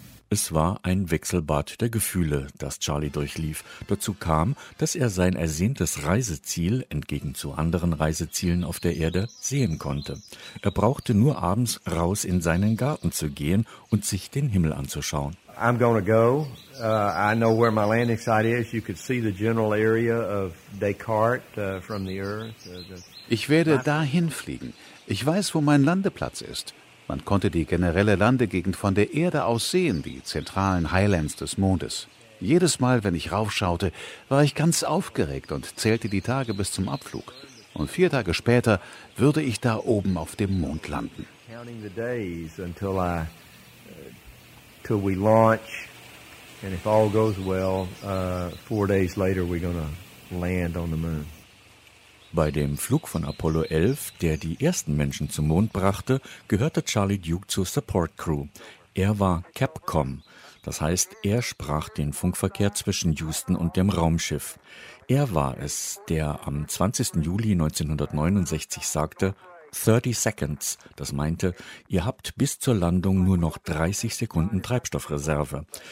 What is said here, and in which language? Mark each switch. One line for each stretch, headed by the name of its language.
German: Es war ein Wechselbad der Gefühle, das Charlie durchlief. Dazu kam, dass er sein ersehntes Reiseziel, entgegen zu anderen Reisezielen auf der Erde, sehen konnte. Er brauchte nur abends raus in seinen Garten zu gehen und sich den Himmel anzuschauen.
English: I'm going to go. I know where my landing site is. You could see the general area of Descartes from the Earth.
German: Ich werde dahin fliegen. Ich weiß, wo mein Landeplatz ist. Man konnte die generelle Landegegend von der Erde aus sehen, die zentralen Highlands des Mondes. Jedes Mal, wenn ich raufschaute, war ich ganz aufgeregt und zählte die Tage bis zum Abflug. Und 4 Tage später würde ich da oben auf dem Mond landen.
English: Counting the days until I till we launch, and if all goes well, 4 days later we're gonna land on the moon.
German: Bei dem Flug von Apollo 11, der die ersten Menschen zum Mond brachte, gehörte Charlie Duke zur Support Crew. Er war Capcom, das heißt, er sprach den Funkverkehr zwischen Houston und dem Raumschiff. Er war es, der am 20. Juli 1969 sagte,
English: 30 Seconds,
German: das meinte, ihr habt bis zur Landung nur noch 30 Sekunden Treibstoffreserve.